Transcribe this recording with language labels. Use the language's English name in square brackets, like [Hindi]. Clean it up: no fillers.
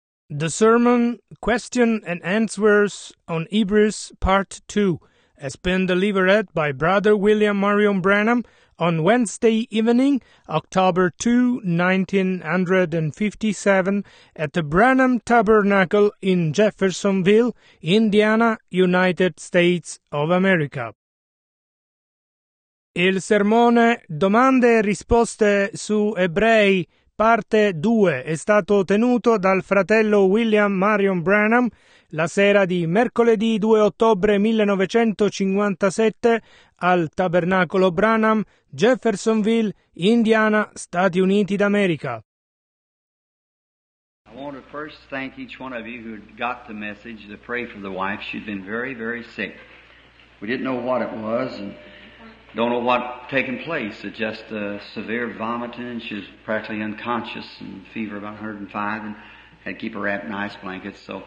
[English] The Sermon, Question and Answers on Hebrews, Part 2, has been delivered by Brother William Marion Branham on Wednesday evening, October 2, 1957, at the Branham Tabernacle in Jeffersonville, Indiana, United States of America. [Italian] Il sermone Domande e risposte su Ebrei, Parte 2, è stato tenuto dal fratello William Marion Branham la sera di mercoledì 2 ottobre 1957 al Tabernacolo Branham, Jeffersonville, Indiana, Stati Uniti d'America. [English] I want to first thank each one of you who got the message to pray for the wife. She'd been very, very sick. We didn't know what it was and don't know what's taken place. It's just a severe vomiting. She's practically unconscious and fever about 105 and had to keep her wrapped in ice blankets.